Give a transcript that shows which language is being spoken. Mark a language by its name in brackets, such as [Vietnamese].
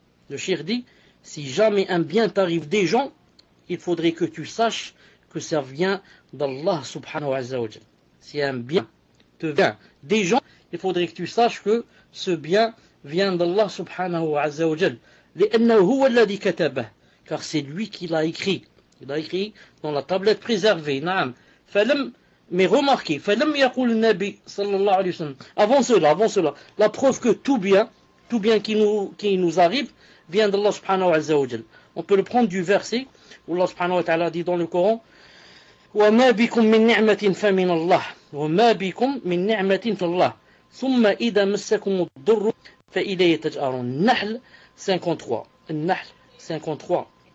[French] Le shir dit, si jamais un bien t'arrive des gens, il faudrait que tu saches que ça vient d'Allah subhanahu wa ta'ala. c'est un bien de bien. Des gens, il faudrait que tu saches que ce bien vient d'Allah subhanahu wa azzawajal. [Arabic] لأنه الذي كتبه [French] car c'est lui qui l'a écrit. Il a écrit dans la tablette préservée. [Arabic] Naam. فلم, [French] mais remarquez, [Arabic] فلم يقول النبي صلى الله عليه وسلم. [French] Avant cela, la preuve que tout bien qui nous arrive, vient d'Allah subhanahu wa azzawajal. On peut le prendre du verset où Allah subhanahu wa ta'ala dit dans le Coran. [Arabic] وما بكم من نعمة فمن الله وما بكم من نعمة فالله ثم إذا مسكم الضر فإليه تجأرون النحل 53 النحل 53